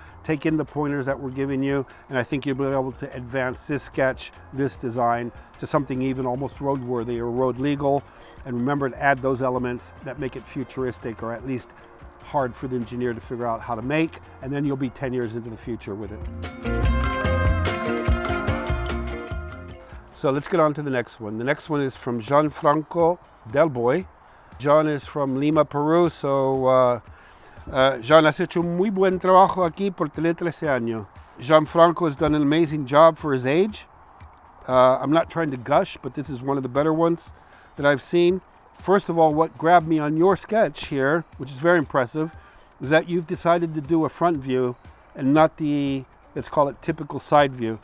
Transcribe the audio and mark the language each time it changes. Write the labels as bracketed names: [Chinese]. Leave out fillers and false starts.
[English] Take in the pointers that we're giving you, and I think you'll be able to advance this sketch, this design, to something even almost roadworthy or road legal. And remember to add those elements that make it futuristic, or at least hard for the engineer to figure out how to make, and then you'll be 10 years into the future with it. So let's get on to the next one. The next one is from Gianfranco Delboy. John is from Lima, Peru, so [Spanish] Jean has hecho muy buen trabajo aquí por tener 13 años. [English] Gianfranco has done an amazing job for his age. I'm not trying to gush, but this is one of the better ones that I've seen. First of all, what grabbed me on your sketch here, which is very impressive, is that you've decided to do a front view and not the, let's call it, typical side view.